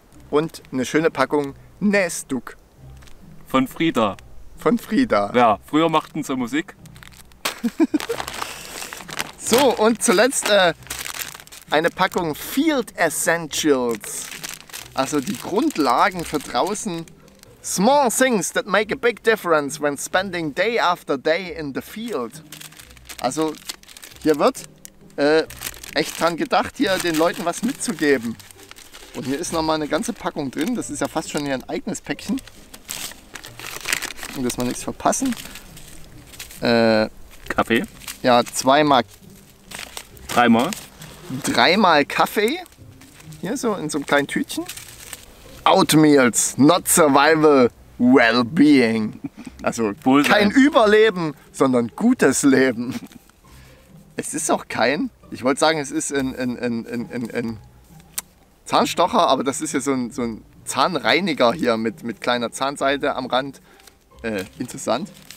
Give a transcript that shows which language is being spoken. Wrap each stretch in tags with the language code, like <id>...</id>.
<de>Und eine schöne Packung Nestuk. Von Frieda. Von Frieda. Ja, früher machten sie Musik. So, und zuletzt eine Packung Field Essentials. Also die Grundlagen für draußen.</de> <en>Small things that make a big difference when spending day after day in the field.</en> <de>Also hier wird echt dran gedacht, hier den Leuten was mitzugeben. Und hier ist nochmal eine ganze Packung drin. Das ist ja fast schon hier ein eigenes Päckchen. Dass wir nichts verpassen. Kaffee? Ja, zweimal. Dreimal? Dreimal Kaffee. Hier so in so einem kleinen Tütchen.</de> <en>Outmeals, not survival, well-being.</en> <de>Also kein Überleben, sondern gutes Leben. Es ist auch kein, ich wollte sagen, es ist ein Zahnstocher, aber das ist ja so ein Zahnreiniger hier mit kleiner Zahnseide am Rand. Interessant.</de>